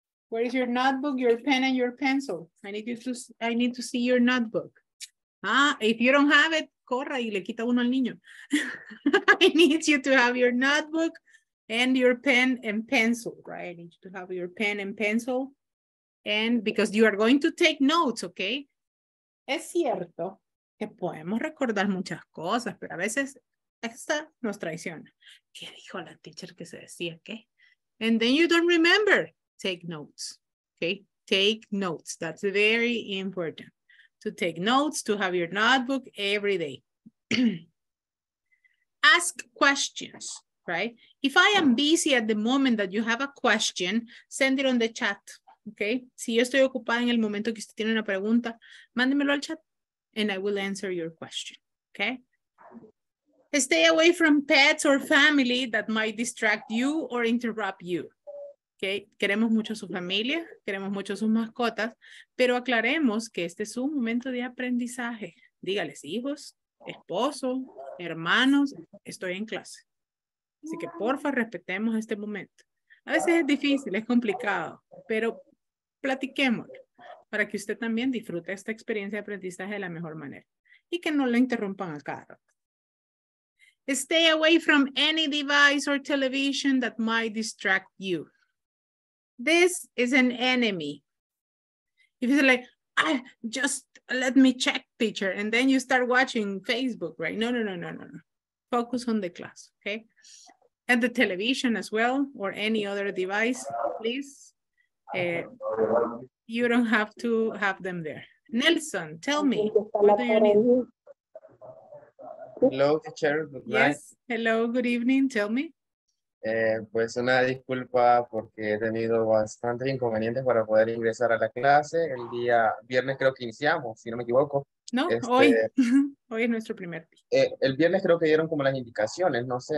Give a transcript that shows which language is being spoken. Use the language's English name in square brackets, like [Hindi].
[English] Where is your notebook, your pen, and your pencil? I need to see your notebook. Ah, if you don't have it, [Spanish] corra y le quita uno al niño. [English] I need you to have your notebook and your pen and pencil, right? I need you to have your pen and pencil. And because you are going to take notes, okay? [Spanish] Es cierto. Que podemos recordar muchas cosas, pero a veces esta nos traiciona. ¿Qué dijo la teacher que se decía qué? [English] And then you don't remember. Take notes. Okay? Take notes. That's very important. To take notes, to have your notebook every day. Ask questions, right? If I am busy at the moment that you have a question, send it on the chat. Okay? [Spanish] Si yo estoy ocupada en el momento que usted tiene una pregunta, mándemelo al chat. [English] And I will answer your question, okay? Stay away from pets or family that might distract you or interrupt you, okay? [Spanish] Queremos mucho su familia, queremos mucho sus mascotas, pero aclaremos que este es un momento de aprendizaje. Dígales hijos, esposo, hermanos, estoy en clase. Así que porfa, respetemos este momento. A veces es difícil, es complicado, pero platiquémoslo. Para que usted también disfrute esta experiencia de aprendizaje de la mejor manera. Y que no lo interrumpan a cada rato. [English] Stay away from any device or television that might distract you. This is an enemy. If it's like, ah, just let me check, teacher. And then you start watching Facebook, right? No, no, no, no, no, no. Focus on the class, okay? And the television as well, or any other device, please. You don't have to have them there. Nelson, tell me, what do you need? Hello, teacher. Good night. Yes. Hello, good evening. Tell me. [Spanish] Pues una disculpa porque he tenido bastantes inconvenientes para poder ingresar a la clase. El día viernes creo que iniciamos, si no me equivoco. No, este, hoy. Hoy es nuestro primer. El viernes creo que dieron como las indicaciones, no sé.